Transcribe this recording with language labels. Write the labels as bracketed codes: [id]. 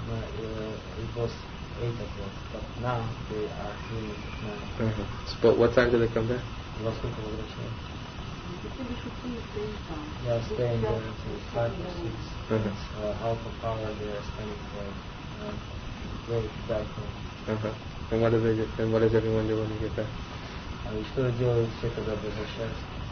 [en] It was 8 o'clock, but now they are 3 o'clock. Uh-huh. But what time did they come back? [ru] Во сколько возвращаются? [en] They are staying there until 5 or 6. Uh-huh. Half an hour they are staying there. Very back home. Uh-huh. And what does everyone do when they get back? [ru] И что делают все, когда возвращаются?